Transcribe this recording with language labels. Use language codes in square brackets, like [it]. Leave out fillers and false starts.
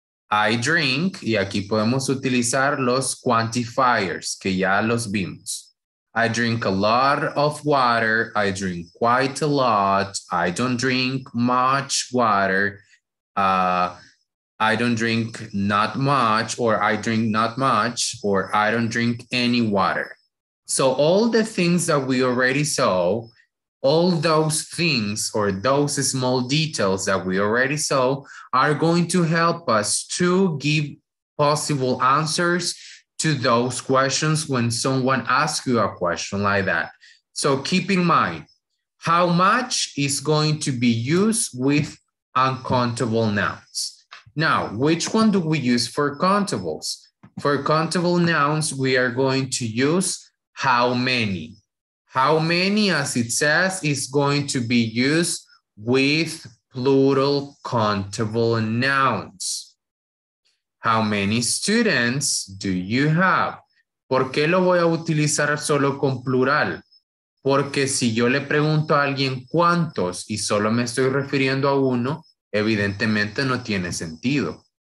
[en] I drink, [es] y aquí podemos utilizar los quantifiers, que ya los vimos. [en] I drink a lot of water, I drink quite a lot, I don't drink much water, I don't drink not much, or I drink not much, or I don't drink any water. So all the things that we already saw, all those things or those small details that we already saw are going to help us to give possible answers to those questions when someone asks you a question like that. So keep in mind, how much is going to be used with uncountable nouns. Now, which one do we use for countables? For countable nouns, we are going to use how many. How many, as it says, is going to be used with plural countable nouns. How many students do you have? [es] ¿Por qué lo voy a utilizar solo con plural? Porque si yo le pregunto a alguien cuántos y solo me estoy refiriendo a uno, evidentemente no tiene sentido.